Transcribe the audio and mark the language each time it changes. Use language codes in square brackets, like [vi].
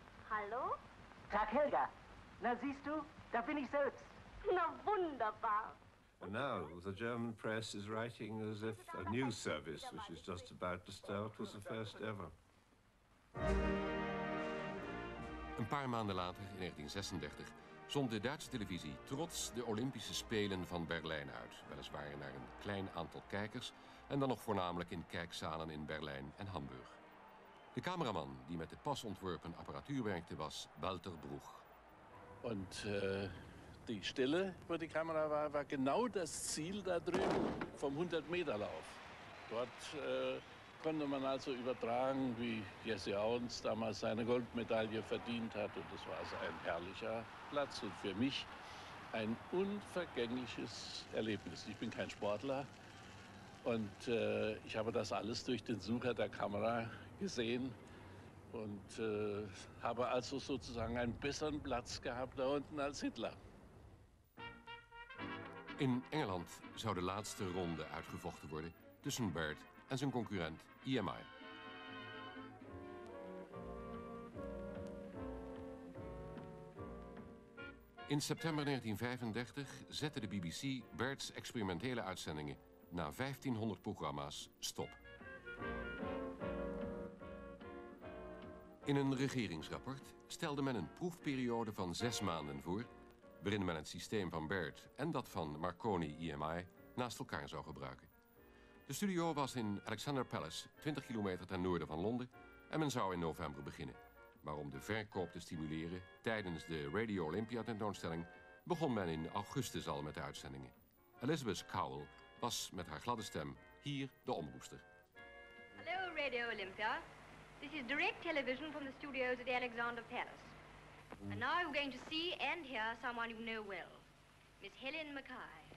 [de] Hallo? Tag, Helga. Na, siehst du, da bin ich selbst. Na, wunderbar. [en] And now the German press is writing as if a new service, which is just about to start, was the first ever. [nl] Een paar maanden later, in 1936, zond de Duitse televisie trots de Olympische Spelen van Berlijn uit. Weliswaar naar een klein aantal kijkers en dan nog voornamelijk in kijkzalen in Berlijn en Hamburg. De cameraman die met de pas ontworpen apparatuur werkte was Walter Bruch. En die stille waar de camera was, was [de] genau das Ziel daar drüben vom 100 meter lauf. Dort konnte man also übertragen, wie Jesse Owens damals seine Goldmedaille verdient hat. Und das war also ein herrlicher Platz und für mich ein unvergängliches Erlebnis. Ich bin kein Sportler und ich habe das alles durch den Sucher der Kamera gesehen und habe also sozusagen einen besseren Platz gehabt da unten als Hitler. [nl] In England zou de laatste ronde uitgevochten worden tussen Bert en zijn concurrent EMI. In september 1935 zette de BBC Bert's experimentele uitzendingen na 1500 programma's stop. In een regeringsrapport stelde men een proefperiode van 6 maanden voor, waarin men het systeem van Bert en dat van Marconi EMI naast elkaar zou gebruiken. De studio was in Alexander Palace, 20 kilometer ten noorden van Londen, en men zou in november beginnen. Maar om de verkoop te stimuleren tijdens de Radio Olympia tentoonstelling begon men in augustus al met de uitzendingen. Elizabeth Cowell was met haar gladde stem hier de omroepster. [en] Hallo Radio Olympia, this is direct television from the studios at Alexander Palace. And now you're going to see and hear someone you know well, Miss Helen Mackay.